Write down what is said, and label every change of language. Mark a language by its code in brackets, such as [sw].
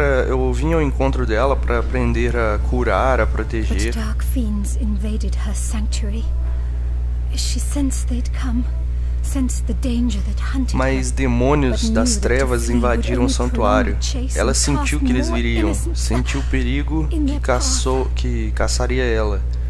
[pt] Eu vim ao encontro dela para aprender a curar, a proteger. [en] But dark fiends invaded her sanctuary. She sensed they'd come, sensed the danger that hunted her. [pt] Mas demônios das trevas invadiram o santuário. Ela sentiu que eles viriam, sentiu o perigo que caçaria ela.